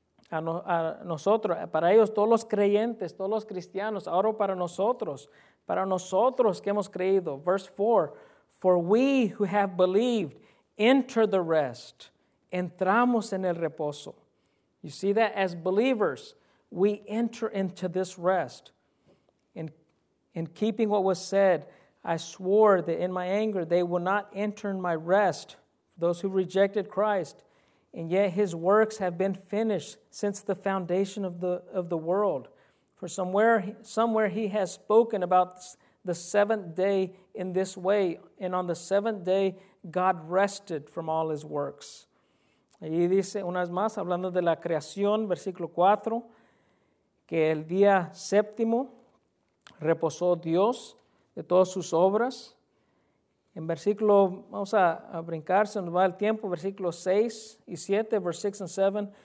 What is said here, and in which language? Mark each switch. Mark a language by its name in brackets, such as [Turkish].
[Spanish] A nosotros, para ellos, todos los creyentes, todos los cristianos, ahora para nosotros que hemos creído. [English] Verse 4, for we who have believed, enter the rest. [Spanish] Entramos en el reposo. [English] You see that? As believers, we enter into this rest. In keeping what was said, I swore that in my anger they will not enter in my rest, those who rejected Christ. And yet his works have been finished since the foundation of the world. For somewhere he has spoken about the seventh day in this way, and on the seventh day God rested from all his works. [Spanish] Ahí dice una vez más, hablando de la creación, versículo 4, que el día séptimo reposó Dios de todas sus obras. En versículo, vamos a brincar, se nos va el tiempo, versículo 6 y 7, [English] verse 6 and 7.